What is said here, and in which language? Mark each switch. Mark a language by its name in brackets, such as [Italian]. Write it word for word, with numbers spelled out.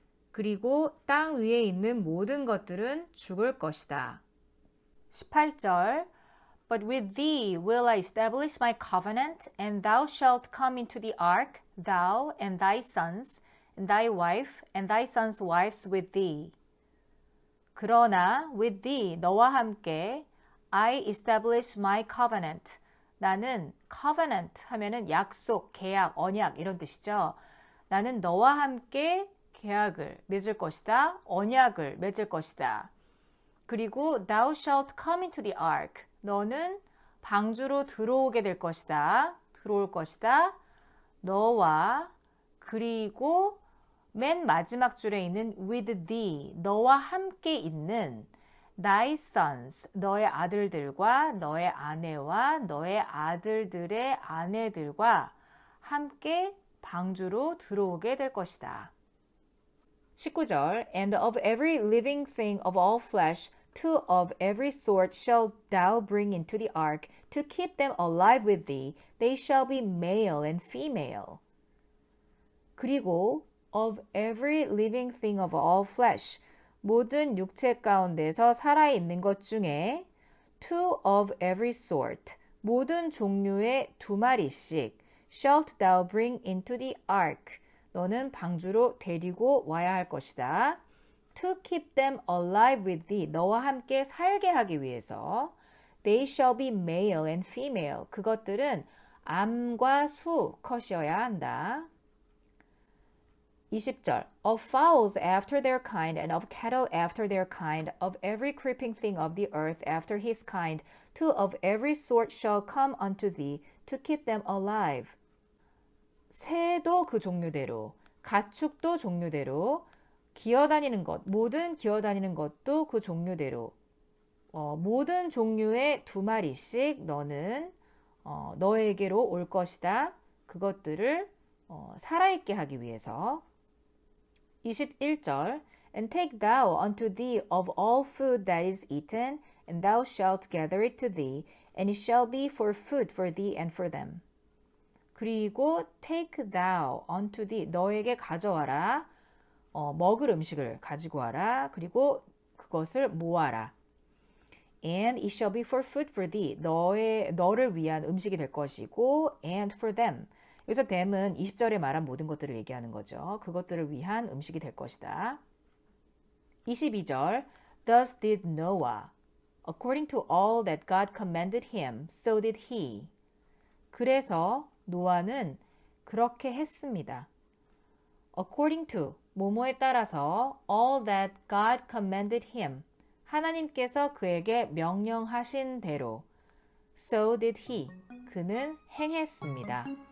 [Korean] 그리고 땅 위에 있는 모든 것들은 죽을 것이다. 십팔 절 [English] But with thee will I establish my covenant, and thou shalt come into the ark, thou and thy sons, and thy wife, and thy sons' wives with thee. [Korean] 그러나 [English] with thee, [Korean] 너와 함께 [English] I establish my covenant. [Korean] 나는 covenant 하면은 약속, 계약, 언약 이런 뜻이죠. 나는 너와 함께 계약을 맺을 것이다. 언약을 맺을 것이다. 그리고 [English] thou shalt come into the ark. [Korean] 너는 방주로 들어오게 될 것이다. 들어올 것이다. 너와 그리고 맨 마지막 줄에 있는 [English] with thee. [Korean] 너와 함께 있는 [English] thy sons. [Korean] 너의 아들들과 너의 아내와 너의 아들들의 아내들과 함께 방주로 들어오게 될 것이다. 십구 절 [English] And of every living thing of all flesh, two of every sort shall thou bring into the ark, to keep them alive with thee. They shall be male and female. [Korean] 그리고 [English] of every living thing of all flesh, [Korean] 모든 육체 가운데서 살아있는 것 중에 [English] two of every sort, [Korean] 모든 종류의 두 마리씩 [English] shalt thou bring into the ark. [Korean] 너는 방주로 데리고 와야 할 것이다. [English] To keep them alive with thee. [Korean] 너와 함께 살게 하기 위해서. [English] They shall be male and female. [Korean] 그것들은 암과 수 컷이어야 한다. 이십 절 [English] Of fowls after their kind, and of cattle after their kind, of every creeping thing of the earth after his kind, two of every sort shall come unto thee, to keep them alive. [Korean] 새도 그 종류대로, 가축도 종류대로, 기어다니는 것, 모든 기어다니는 것도 그 종류대로, 어, 모든 종류의 두 마리씩 너는 어, 너에게로 올 것이다. 그것들을 어, 살아있게 하기 위해서. 이십일 절 [English] And take thou unto thee of all food that is eaten, and thou shalt gather it to thee, and it shall be for food for thee and for them. [Korean] 그리고 [English] take thou unto thee, [Korean] 너에게 가져와라. 어, 먹을 음식을 가지고 와라. 그리고 그것을 모아라. [English] And it shall be for food for thee. [Korean] 너의, 너를 위한 음식이 될 것이고 [English] and for them. [Korean] 여기서 them은 이십 절에 말한 모든 것들을 얘기하는 거죠. 그것들을 위한 음식이 될 것이다. 이십이 절 [English] Thus did Noah. According to all that God commanded him, so did he. [Korean] 그래서 노아는 그렇게 했습니다. [English] According to, [Korean] 뭐뭐에 따라서 [English] all that God commanded him, [Korean] 하나님께서 그에게 명령하신 대로 [English] so did he, [Korean] 그는 행했습니다.